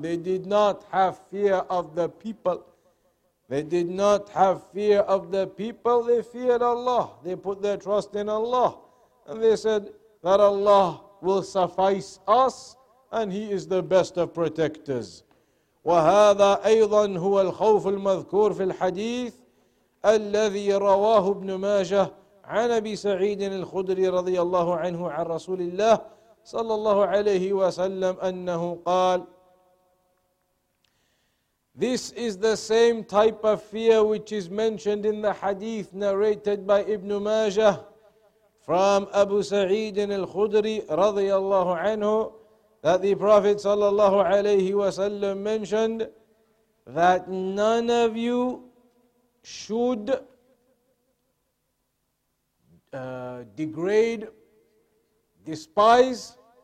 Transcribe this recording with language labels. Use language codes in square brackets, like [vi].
[en] They did not have fear of the people. They did not have fear of the people. They feared Allah. They put their trust in Allah. And they said that Allah will suffice us, and he is the best of protectors. [ar] وهذا أيضا هو الخوف المذكور في الحديث الذي رواه ابن ماجه عن أبي سعيد الخدري رضي الله عنه عن رسول الله صلى الله عليه وسلم أنه قال. [en] This is the same type of fear which is mentioned in the hadith narrated by Ibn Majah from Abu Sa'id al-Khudri radiyallahu anhu, that the Prophet sallallahu alayhi wa sallam mentioned that none of you should degrade, despise.